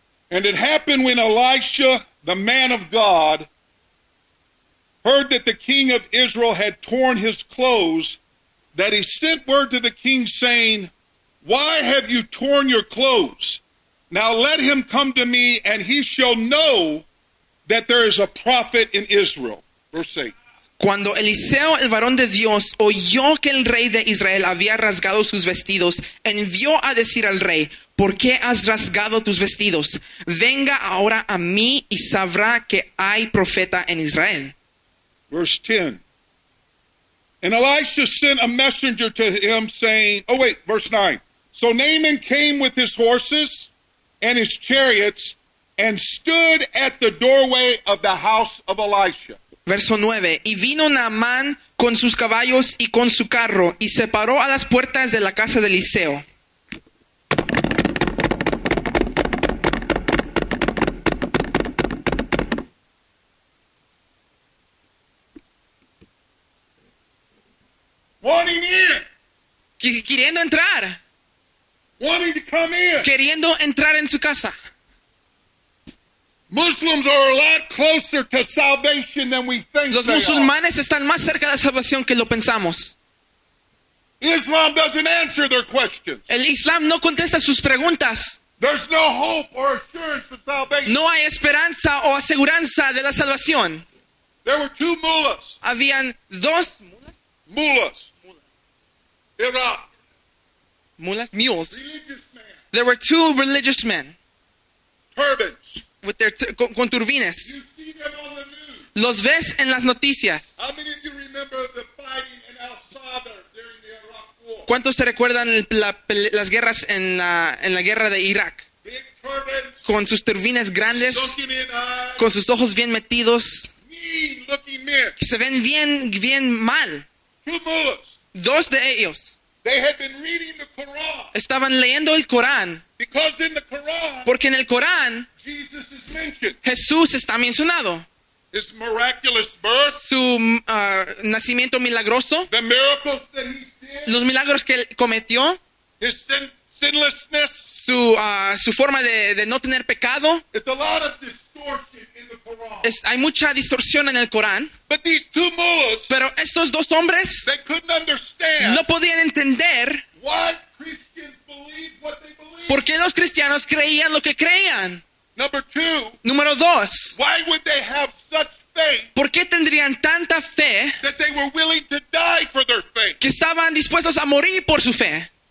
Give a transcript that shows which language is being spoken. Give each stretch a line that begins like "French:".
English: And it happened when Elisha, the man of God, heard that the king of Israel had torn his clothes, that he sent word to the king saying, "Why have you torn your clothes? Now let him come to me, and he shall know that there is a prophet in Israel." Verse 8.
Spanish: Cuando Eliseo, el varón de Dios, oyó que el rey de Israel había rasgado sus vestidos, envió a decir al rey, "¿Por qué has rasgado tus vestidos? Venga ahora a mí y sabrá que hay profeta en Israel."
English: Verse 10. And Elisha sent a messenger to him saying, oh wait, verse 9. So Naaman came with his horses and his chariots and stood at the doorway of the house of Elisha.
Spanish: Verso 9. Y vino Naamán con sus caballos y con su carro y se paró a las puertas de la casa de Eliseo.
English: Wanting in.
Spanish: Queriendo entrar.
English: Wanting to come in.
Spanish: Queriendo entrar en su casa.
English: Muslims are a lot closer to salvation than we think.
Spanish: Los musulmanes están más cerca de la salvación que lo pensamos.
English: Islam doesn't answer their questions.
Spanish: El Islam no contesta sus preguntas.
English: There's no hope or assurance of salvation.
Spanish: No hay esperanza o aseguranza de la salvación.
English: There were two mullahs.
Spanish: Habían dos
English: mullahs. Iraq. Mullahs, mules. There were two religious men. Turbans. With their con turbines. You see them on the news.
Spanish: Los ves en las noticias.
English: How many of you remember the fighting in Al Sadr during the Iraq War?
Spanish: ¿Cuántos se recuerdan las guerras en la guerra de Irak?
English: Big turbans.
Spanish: Con sus turbines grandes.
English: Sucking in eyes.
Spanish: Con sus ojos bien metidos.
English: Mean looking men.
Spanish: Que se ven bien, bien mal.
English: Two mullahs.
Spanish: Dos de ellos.
English: They had been reading the Quran.
Spanish: Estaban leyendo el Corán.
English: Because in the Quran,
Spanish: porque en el Corán,
English: Jesus is mentioned.
Spanish: Jesús está mencionado.
English: His miraculous birth,
Spanish: su nacimiento milagroso.
English: The miracles that he did,
Spanish: los milagros que él cometió.
English: His sinlessness,
Spanish: su forma de no tener pecado.
English: It's a lot of distortion in the Quran.
Spanish: Hay mucha distorsión en el Corán.
English: But these two mullahs,
Spanish: pero estos dos hombres,
English: they couldn't understand,
Spanish: no podían entender
English: why Christians believed what they believed.
Spanish: ¿Por qué los cristianos creían lo que creían?
English: Number two,
Spanish: número dos,
English: why would they have such faith,
Spanish: ¿por qué tendrían tanta fe,
English: that they were willing to die for their faith,
Spanish: que estaban dispuestos a morir por su fe?